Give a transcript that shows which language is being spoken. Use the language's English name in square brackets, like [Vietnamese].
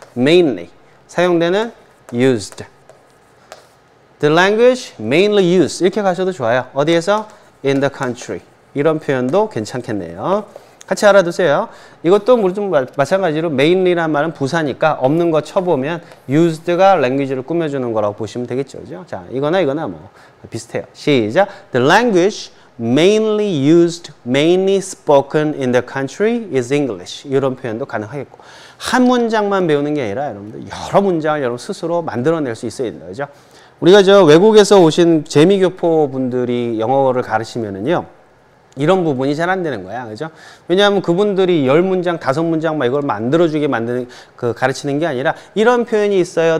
[English] mainly. 사용되는 used. The language mainly used. [Korean] 이렇게 가셔도 좋아요. 어디에서? [English] In the country. [Korean] 이런 표현도 괜찮겠네요. 같이 알아두세요. 이것도 좀 마찬가지로 mainly란 말은 부사니까 없는 거 쳐보면 used가 language를 꾸며주는 거라고 보시면 되겠죠. 그렇죠? 자, 이거나 이거나 뭐 비슷해요. 시작. [English] The language mainly used, mainly spoken in the country is English. [Korean] 이런 표현도 가능하겠고. 한 문장만 배우는 게 아니라 여러분들 여러 문장을 여러분 스스로 만들어낼 수 있어야 된다. 그죠? 우리가 저 외국에서 오신 재미교포분들이 영어를 가르치면은요. 이런 부분이 잘 안 되는 거야. 그죠? 왜냐하면 그분들이 열 문장, 다섯 문장 막 이걸 만들어주게 만드는, 그 가르치는 게 아니라 이런 표현이 있어요.